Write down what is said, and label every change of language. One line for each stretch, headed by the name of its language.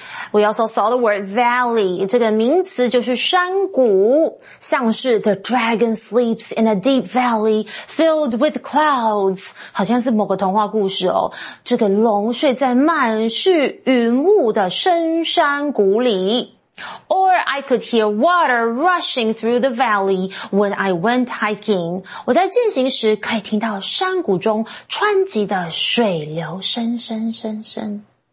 English: We also saw the word valley，
Chinese: 这个名词就是山谷，像是
English: the dragon sleeps in a deep valley filled with clouds，
Chinese: 好像是某个童话故事哦。这个龙睡在满是云雾的深山谷里。
English: Or I could hear water rushing through the valley when I went hiking.
Chinese: 我在进行时可以听到山谷中湍急的水流声声声声。